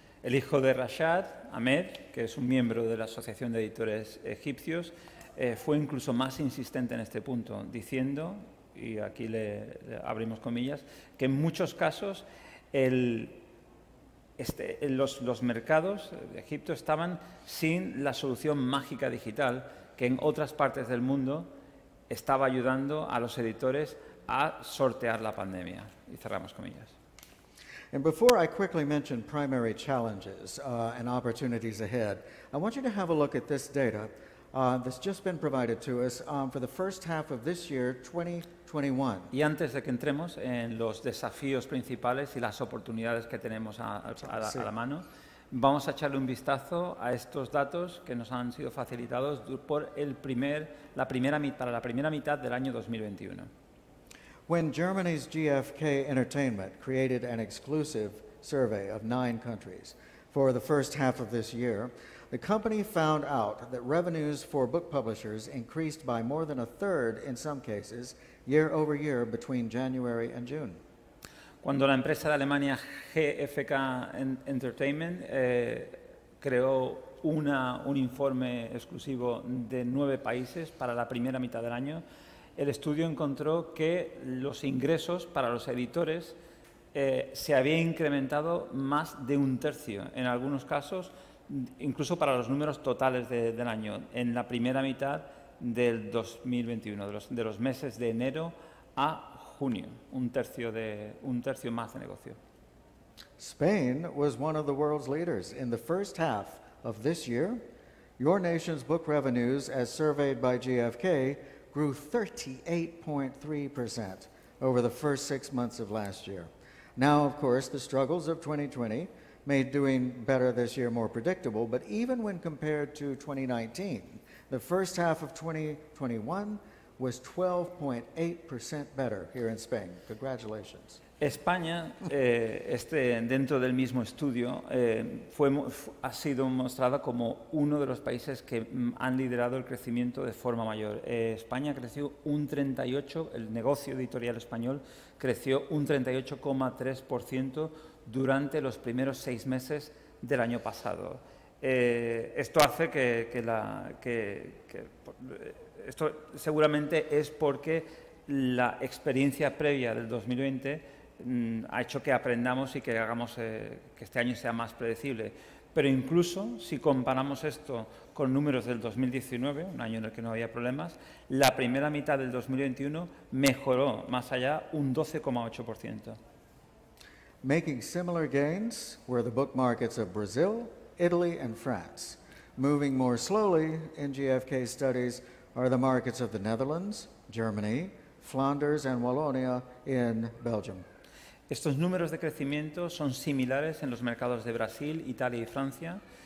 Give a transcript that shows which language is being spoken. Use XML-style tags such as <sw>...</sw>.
<es>El hijo de Rashad, Ahmed, que es un miembro de la Asociación de Editores Egipcios, fue incluso más insistente en este punto, diciendo, y aquí le abrimos comillas, que en muchos casos los mercados de Egipto estaban sin la solución mágica digital que en otras partes del mundo estaba ayudando a los editores a sortear la pandemia. Y cerramos comillas.</es> <en>And before I quickly mention primary challenges and opportunities ahead, I want you to have a look at this data that's just been provided to us for the first half of this year, 2021.</en> <es>Y antes de que entremos en los desafíos principales y las oportunidades que tenemos a la mano, vamos a echarle un vistazo a estos datos que nos han sido facilitados por la primera mitad del año 2021.</es> <en>When Germany's GfK Entertainment created an exclusive survey of 9 countries for the first half of this year, the company found out that revenues for book publishers increased by more than a third in some cases year over year between January and June.</en> <es>Cuando la empresa de Alemania GfK Entertainment creó un informe exclusivo de 9 países para la primera mitad del año, el estudio encontró que los ingresos para los editores se había incrementado más de un tercio, en algunos casos, incluso para los números totales del año, en la primera mitad del 2021, de los meses de enero a junio, un tercio más de negocio.</es> <en>Spain was one of the world's leaders in the first half of this year. Your nation's book revenues, as surveyed by GfK, grew 38.3% over the first 6 months of last year. Now, of course, the struggles of 2020 made doing better this year more predictable, but even when compared to 2019, the first half of 2021 was 12.8% better here in Spain. Congratulations.</en> <es>España, dentro del mismo estudio, ha sido mostrada como uno de los países que han liderado el crecimiento de forma mayor. España creció un 38%, el negocio editorial español creció un 38,3% durante los primeros 6 meses del año pasado. Esto hace esto seguramente es porque la experiencia previa del 2020 ha hecho que aprendamos y que hagamos que este año sea más predecible. Pero incluso si comparamos esto con números del 2019, un año en el que no había problemas, la primera mitad del 2021 mejoró más allá un 12,8%.</es> <en>Making similar gains were the book markets of Brazil, Italy and France. Moving more slowly in GfK studies are the markets of the Netherlands, Germany, Flanders and Wallonia in Belgium.</en> <es>Estos números de crecimiento son similares en los mercados de Brasil, Italia y Francia.</es>